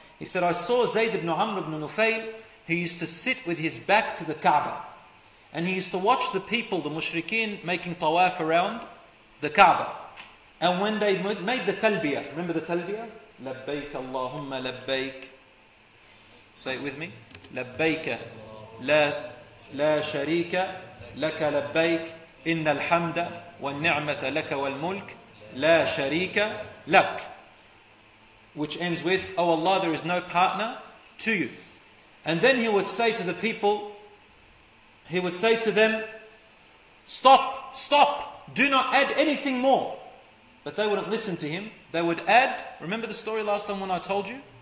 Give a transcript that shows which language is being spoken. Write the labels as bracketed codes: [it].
[en] He said, "I saw Zayd ibn Amr ibn Nufayl. He used to sit with his back to the Kaaba. And he used to watch the people, the mushrikeen, making tawaf around the Kaaba. And when they made the talbiyah," remember the talbiyah? [ar] لبيك اللهم لبيك. [en] Say it with me. [ar] لبيك لا شريك لك لبيك إن الحمد والنعمة لك والملك لا شريك لك. [en] Which ends with, oh Allah, there is no partner to you. And then he would say to the people, he would say to them, stop, do not add anything more. But they wouldn't listen to him. They would add, remember the story last time when I told you?